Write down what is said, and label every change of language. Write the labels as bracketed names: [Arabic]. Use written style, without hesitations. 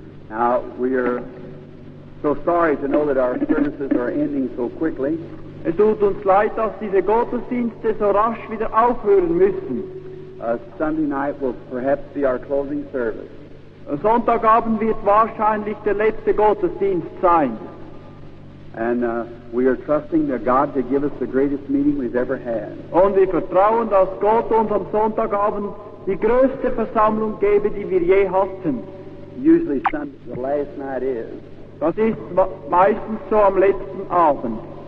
[English] Now, we are so sorry to know that our services are ending so quickly. [German] Es tut uns leid, dass diese Gottesdienste so rasch wieder aufhören müssen. [English] Sunday night will perhaps be our closing service. [German] Sonntagabend wird wahrscheinlich der letzte Gottesdienst sein. [English] And we are trusting that God to give us the greatest meeting we've ever had. [German] Und wir vertrauen, dass Gott uns am Sonntagabend die größte Versammlung gebe, die wir je hatten. [English] Usually Sunday, the last night is. [German] Das ist meistens so am letzten Abend.